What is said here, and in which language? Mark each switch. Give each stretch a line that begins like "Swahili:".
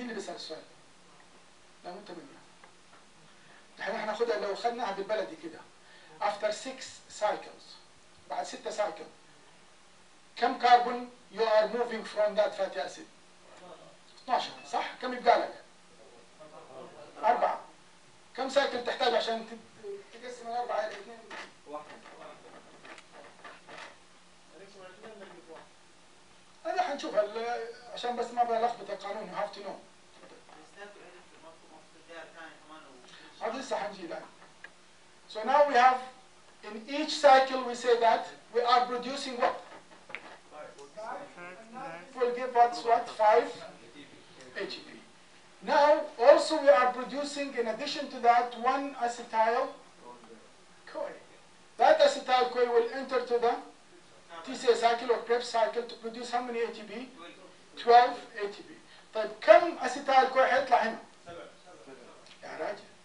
Arabic: السؤال. لا مو 8. احنا ناخذها لو اخذناها بالبلدي كده.
English: after six cycles,
Arabic: بعد ستة
English: cycle,
Arabic: كم
English: carbon you are moving from that fatty acid?
Arabic: 12, صح؟ كم يبقى لك؟ أربعة. كم cycle تحتاج عشان تقسم الأربعة إلى اثنين؟ واحد. هذا حنشوف عشان بس ما بلخبط القانون,
English: you have to know.
Arabic: هذا لسه حنجي لك.
English: So now we have, in each cycle we say that we are producing what? Five. Will give us what? 5 ATP. Now also we are producing, in addition to that, one acetyl CoA. That acetyl CoA will enter to the TCA cycle or Krebs cycle to produce how many ATP? 12 ATP.
Arabic: طيب كم acetyl CoA حيطلع هنا؟ يا راجل.